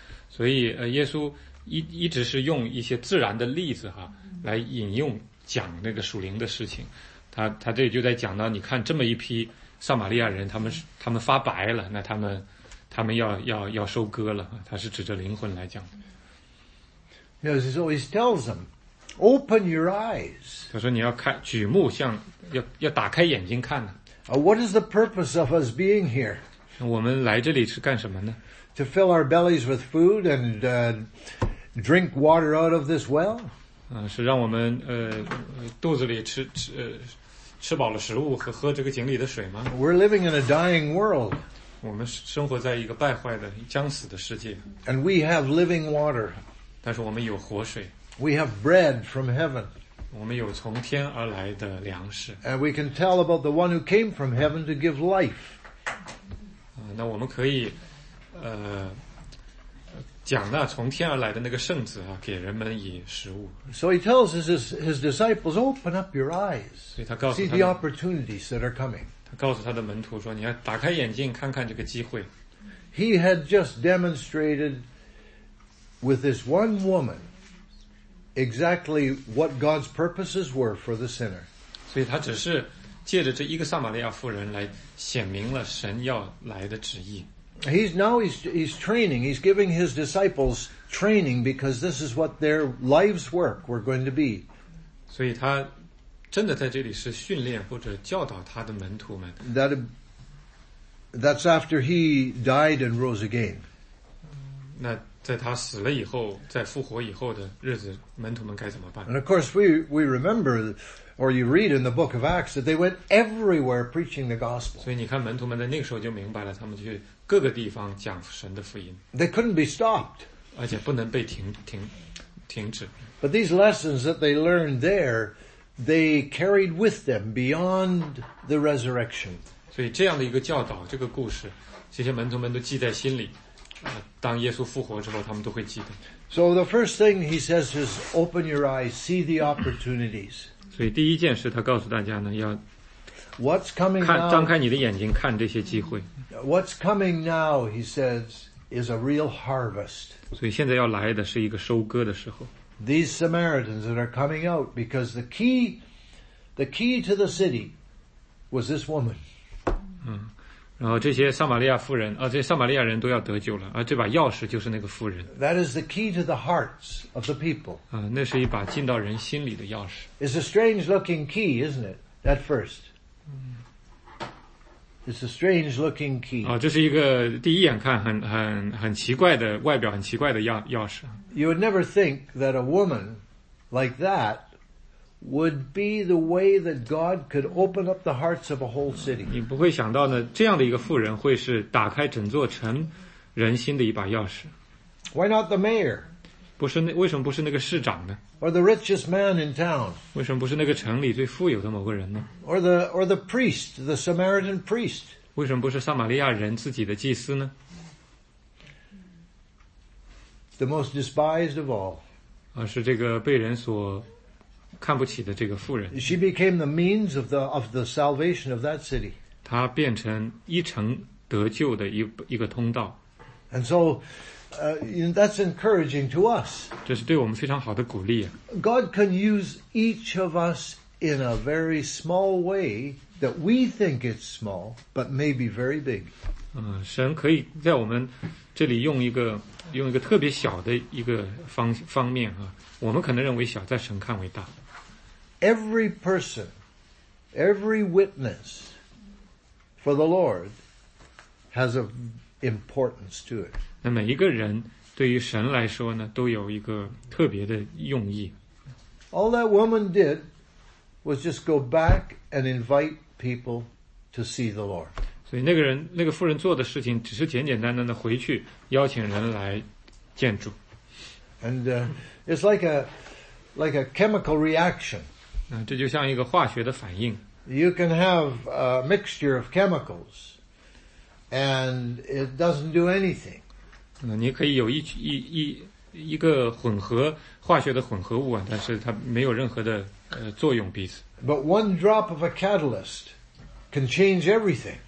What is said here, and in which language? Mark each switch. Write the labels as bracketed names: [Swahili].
[Chinese] 所以耶稣一直是用一些自然的例子哈来引用讲那个属灵的事情。他这里就在讲到，你看这么一批撒玛利亚人，他们发白了，那他们要收割了，他是指着灵魂来讲的。 [English] Yes, so he tells them, open your eyes. [Chinese] 他说你要看，举目向，要打开眼睛看呢。 [English] What is the purpose of us being here? [Chinese] 我们来这里是干什么呢？ [English] To fill our bellies with food and drink water out of this well. [Chinese] 是让我们肚子里吃饱了食物和喝这个井里的水吗？ [English] We're living in a dying world. [Chinese] 我们生活在一个败坏的将死的世界。 [English] And we have living water. [Chinese] 但是我们有活水。 [English] We have bread from heaven. [Chinese] 我们有从天而来的粮食。 [English] And we can tell about the one who came from heaven to give life. [Chinese] 那我们可以讲那从天而来的那个圣子啊，给人们以食物。 [English] So he tells his disciples, open up your eyes. See the opportunities that are coming. [Chinese] 他告诉他的门徒说，你要打开眼睛看看这个机会。 [English] He had just demonstrated with this one woman exactly what God's purposes were for the sinner. [Chinese] 所以他只是借着这一个撒玛利亚妇人来显明了神要来的旨意。 [English] He's training. He's giving his disciples training because this is what their life's work were going to be. [Chinese] 所以他真的在这里是训练或者教导他的门徒们。 [English] That's after he died and rose again. [Chinese] 那在他死了以后，在复活以后的日子，门徒们该怎么办？ [English] And of course, we remember, or you read in the book of Acts that they went everywhere preaching the gospel. [Chinese] 所以你看，门徒们在那个时候就明白了，他们去。各个地方讲神的福音。 [English] They couldn't be stopped. [Chinese] 而且不能被停止。 [English] But these lessons that they learned there, they carried with them beyond the resurrection. [Chinese] 所以这样的一个教导，这个故事，这些门徒们都记在心里。当耶稣复活之后，他们都会记得。 [English] So the first thing he says is, open your eyes, see the opportunities. [Chinese] 所以第一件事他告诉大家呢，要 [English] What's coming [Chinese] 看，张开你的眼睛看这些机会。 [English] What's coming now, he says, is a real harvest. [Chinese] 所以现在要来的是一个收割的时候。 [English] These Samaritans that are coming out because the key to the city was this woman. [Chinese] 然后这些撒玛利亚妇人，这些撒玛利亚人都要得救了，这把钥匙就是那个妇人。 [English] That is the key to the hearts of the people. [Chinese] 那是一把进到人心里的钥匙。 [English] It's a strange looking key, isn't it, at first? It's a strange looking key. [Chinese] 这是一个第一眼看很奇怪的外表，很奇怪的钥匙。 [English] You would never think that a woman like that would be the way that God could open up the hearts of a whole city. [Chinese] 你不会想到呢，这样的一个妇人会是打开整座城人心的一把钥匙。 [English] Why not the mayor? [Chinese] 不是那为什么不是那个市长呢？ [English] Or the richest man in town? [Chinese] 为什么不是那个城里最富有的某个人呢？ [English] Or the priest, the Samaritan priest? [Chinese] 为什么不是撒玛利亚人自己的祭司呢？ [English] The most despised of all. [Chinese] 是这个被人所看不起的这个妇人。 [English] She became the means of the salvation of that city. [Chinese] 她变成一城得救的一个通道。 [English] And so,that's encouraging to us. [Chinese] 这是对我们非常好的鼓励啊。 [English] God can use each of us in a very small way that we think it's small, but maybe very big. [Chinese] 神可以在我们这里用一个特别小的一个方面啊，我们可能认为小，在神看为大。 [English] Every person, every witness for the Lord has an importance to it. [Chinese] 那每一个人对于神来说呢，都有一个特别的用意。 [English] All that woman did was just go back and invite people to see the Lord. [Chinese] 所以那个妇人做的事情，只是简简单单的回去邀请人来见主。 [English] And it's like a chemical reaction. [Chinese] 这就像一个化学的反应。 [English] You can have a mixture of chemicals, and it doesn't do anything. [Chinese] 你可以有一个混合化学的混合物啊，但是它没有任何的作用彼此。 [English] But one drop of a catalyst can change everything.